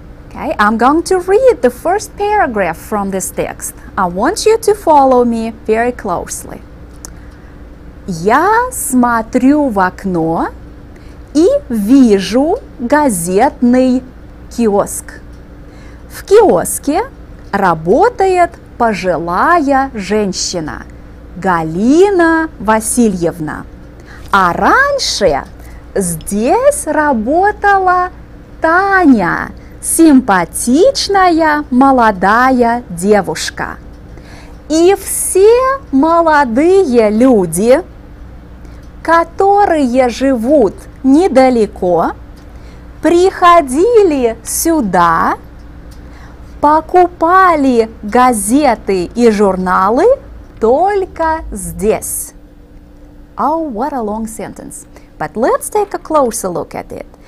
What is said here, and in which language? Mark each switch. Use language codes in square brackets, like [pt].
[en] Okay, I'm going to read the first paragraph from this text. I want you to follow me very closely. [ru] Я смотрю в окно и вижу газетный киоск. В киоске работает пожилая женщина Галина Васильевна. А раньше здесь работала Таня, симпатичная молодая девушка. И все молодые люди, которые живут недалеко, приходили сюда, покупали газеты и журналы только здесь. [en] Oh, what a long sentence. But let's take a closer look at it.